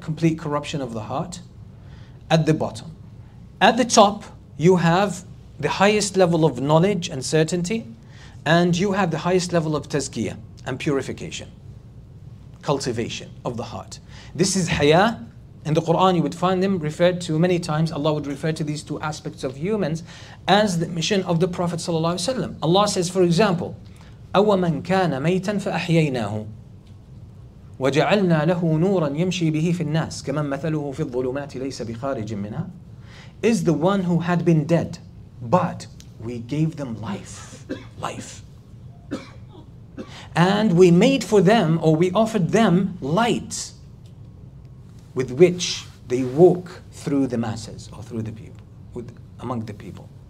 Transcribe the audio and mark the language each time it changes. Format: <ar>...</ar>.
<en>Complete corruption of the heart at the bottom. At the top, you have the highest level of knowledge and certainty, and you have the highest level of tazkiyah and purification, cultivation of the heart. This is haya. In the Quran, you would find them referred to many times. Allah would refer to these two aspects of humans as the mission of the Prophet ﷺ.</en> <ar>Allah says, for example, أَوَمَنْ كَانَ مَيْتًا فَأَحْيَيْنَاهُ وَجَعَلْنَا لَهُ نُورًا يَمْشِي بِهِ فِي النَّاسِ كَمَنْ مَثَلُهُ فِي الظُّلُمَاتِ لَيْسَ بِخَارِجٍ مِنْهَا.</ar> <en>Is the one who had been dead, but we gave them life. And we made for them, or we offered them light with which they walk through the masses or through the people, with, among the people.</en>